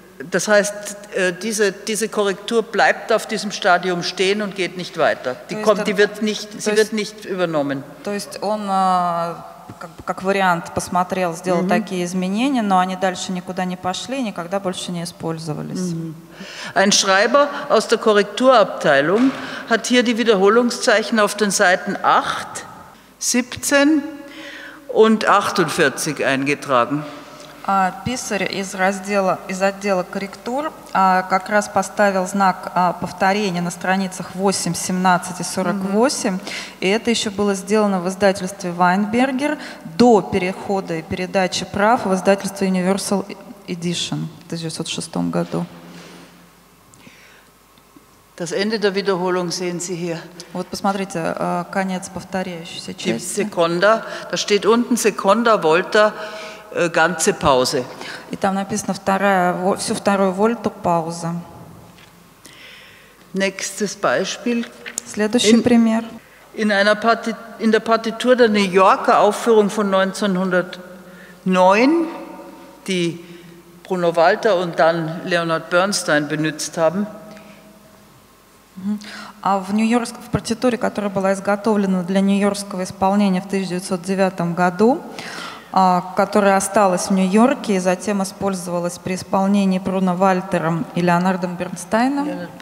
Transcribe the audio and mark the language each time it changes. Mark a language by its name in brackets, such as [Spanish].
[German] Das heißt, diese Korrektur bleibt auf diesem Stadium stehen und geht nicht weiter. Sie wird nicht übernommen. [Russian] То есть он как вариант посмотрел, сделал такие изменения, но они дальше никуда не пошли, никогда больше не использовались. [German] Ein Schreiber aus der Korrekturabteilung hat hier die Wiederholungszeichen auf den Seiten 8, 17 und 48 eingetragen. [Russian] Писарь из отдела корректур как раз поставил знак повторения на страницах 8, 17 и 48. И это еще было сделано в издательстве Weinberger до перехода и передачи прав в издательство Universal Edition в 1906 году. [German] Das Ende der Wiederholung sehen Sie hier. [Russian] Вот посмотрите, конец повторяющейся части. [German] Секунда, da steht unten Sekunda Volta. Ganze Pause. [Russian] И там написано вторая, всю вторую вольту пауза. [German] Nächstes Beispiel. [Russian] Следующий пример. [German] In der Partitur der New Yorker Aufführung von 1909, die Bruno Walter und dann Leonard Bernstein benutzt haben. [Russian] А в Нью-Йоркской партитуре, которая была изготовлена для нью-йоркского исполнения в 1909 году, которая осталась в Нью-Йорке и затем использовалась при исполнении Бруно Вальтером и Леонардом Бернстайном.